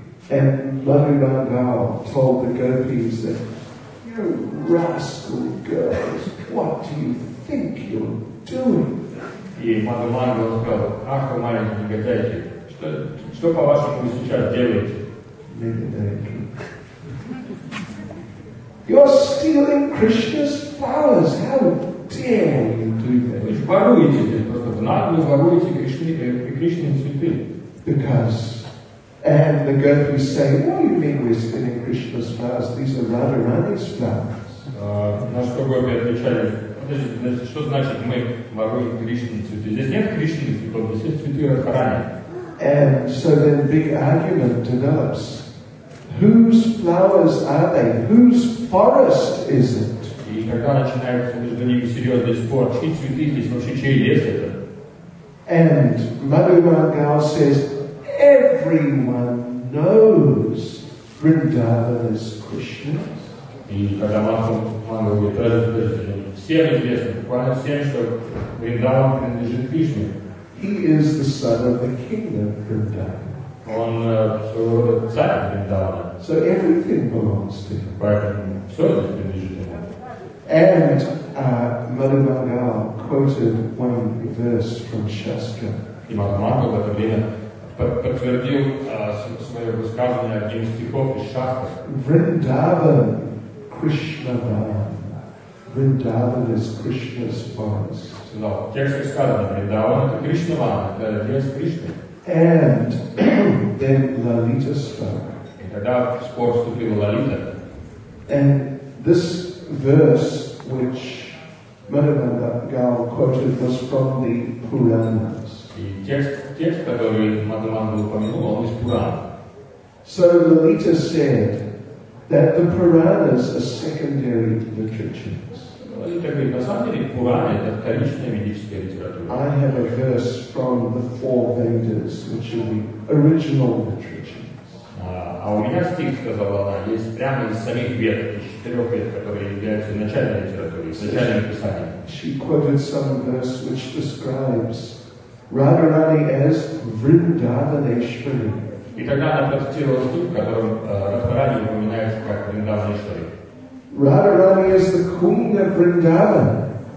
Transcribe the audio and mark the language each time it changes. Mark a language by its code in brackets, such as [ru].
[en] And Madhu Mangal told the gopis that, you rascal girls, what do you think you're doing? [ru] И Madhu Mangal сказал, ах, вы маленькие негодяйки, что по-вашему вы сейчас делаете? Negodaki. [en] You're stealing Krishna's flowers, how dare you do that? [ru] Вы же воруете, просто в наглую воруете Кришне цветы. [en] Because and the gopis say, what do you mean we're stealing Krishna's flowers? These are Radharani's flowers. [ru] На что гопи отвечали, подожди, что значит мы воруем Кришны цветы? Здесь нет Кришны цветов, здесь есть цветы Радхарани. [en] And so then a big argument develops. Whose flowers are they? Whose forest is it? [ru] И когда начинается между ними серьезный спор, чьи цветы здесь вообще, чей лес это? [en] And Madhu Mangal says, everyone knows Vrindavan is Krishna's. [ru] И когда Мангал говорит, всем известно, буквально всем, что Вриндаван принадлежит Кришне. [en] He is the son of the king of Vrindavan. [ru] Он своего рода царь Вриндавана. [en] So everything belongs to him. [ru] Поэтому все здесь принадлежит ему. [en] And Madhu Mangal quoted one verse from Shastra. [ru] И Madhu Mangal в это время подтвердил свое высказывание одним из стихов из Шастры. [sa] Vrindavan, Krishna Dhan. [en] Vrindavan is Krishna's forest. [ru] Но текст высказывания Vrindavan это Krishna Dhan, это лес Кришны. [en] And then Lalita spoke. [ru] И тогда в спор вступила Лалита. [en] And this verse, which Madhu Mangal quoted, was from the Puranas. [ru] И текст, который Madhu Mangal упомянул, он из Пуран. [en] So Lalita said that the Puranas are secondary literatures. [ru] Лалита говорит, на самом деле Пураны это вторичная ведическая литература. [en] I have a verse from the four Vedas, which are the original literatures. [ru] А у меня стих, сказала она, есть прямо из самих Вед, из четырех Вед, которые являются начальной литературой, начальным писанием. [en] She quoted some verse which describes Radharani as Vrindavaneshwari. [ru] И тогда она процитировала стих, в котором Радхарани упоминается как Вриндаванешвари. [en] Radharani is the queen of Vrindavan.